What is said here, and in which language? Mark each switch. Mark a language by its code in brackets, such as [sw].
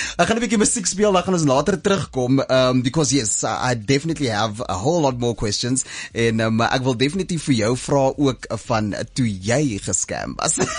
[af] Ek gaan 'n bietjie musiek speel, dan gaan ons later terugkom. [en] Because yes, I definitely have a whole lot more questions. [af] En ek wil definitief vir jou vra ook van toe jy gescam was.